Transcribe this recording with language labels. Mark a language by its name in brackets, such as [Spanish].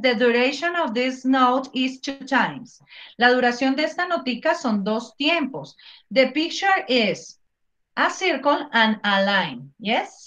[English] The duration of this note is two times. [Spanish] La duración de esta notica son dos tiempos. [English] The picture is a circle and a line, yes?